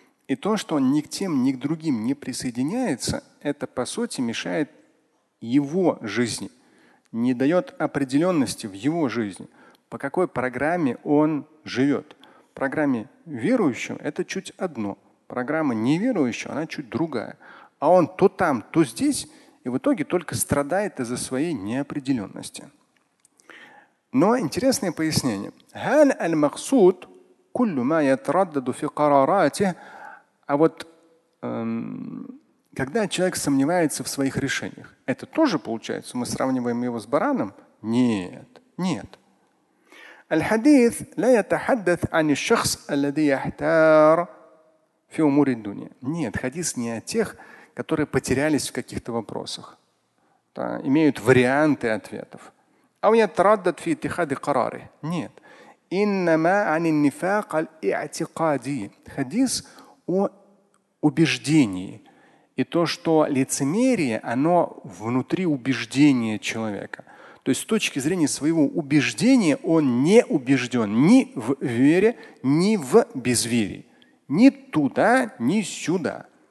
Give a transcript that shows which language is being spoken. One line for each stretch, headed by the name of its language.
Russian: И то, что он ни к тем, ни к другим не присоединяется, это, по сути, мешает его жизни, не дает определенности в его жизни, по какой программе он живет. Программе верующего – это чуть одно. Программа неверующего – она чуть другая. А он то там, то здесь, и в итоге только страдает из-за своей неопределенности. Но интересное пояснение.
Arabic: هل المقصود كل ما يتردد في قراراته.
Russian: А вот когда человек сомневается в своих решениях, это тоже получается, мы сравниваем его с бараном? Нет, нет.
Arabic: الحديث لا يتحدث عن الشخص الذي يحتار في أمور الدنيا.
Russian: Нет, хадис не о тех, которые потерялись в каких-то вопросах, да, имеют варианты ответов.
Arabic: أو يتردد في اتخاذ قراره.
Russian: Нет.
Arabic: إنما عن النفاق الاعتقادي.
Russian: Хадис о убеждении. И то, что лицемерие, оно внутри убеждения человека. То есть с точки зрения своего убеждения он не убежден ни в вере, ни в безверии. Ни туда, ни сюда.